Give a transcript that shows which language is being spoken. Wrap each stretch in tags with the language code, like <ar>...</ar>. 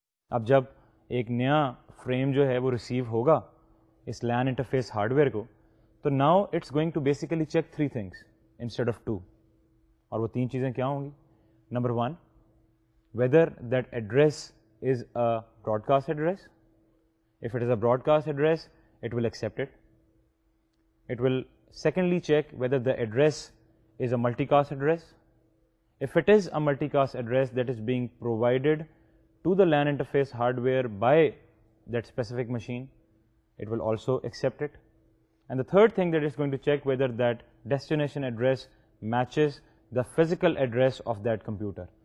<ur>اب جب ایک نیا فریم جو ہے وہ ریسیو ہوگا اس LAN interface hardware کو,</ur> <en>تو now it's going to basically check three things instead of two.</en> <ur>اور وہ تین چیزیں کیا ہوں گی؟</ur> <en>Number one, whether that address is a broadcast address. If it is a broadcast address it will accept it. It will secondly check whether the address is a multicast address. If it is a multicast address that is being provided to the LAN interface hardware by that specific machine, it will also accept it. And the third thing that is going to check whether that destination address matches the physical address of that computer.</en>